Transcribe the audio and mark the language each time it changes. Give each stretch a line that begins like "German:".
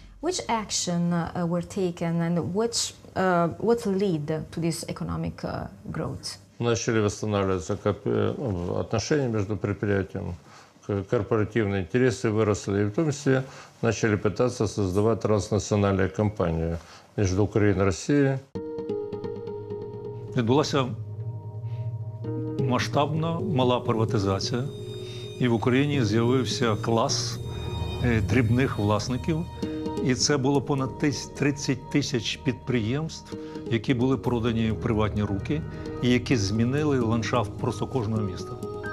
English: Which action were taken and what led to this economic growth?
Russian: Начали восстанавливаться отношения между предприятием, корпоративные интересы выросли, и в том числе начали пытаться создавать транснациональные компании между Украиной и Россией.
Ukrainian: Відбулася масштабна мала приватизація. І в Україні з'явився клас дрібних власників, і це було понад 30 тисяч підприємств, які були продані в приватні руки, і які змінили ландшафт просто кожного міста.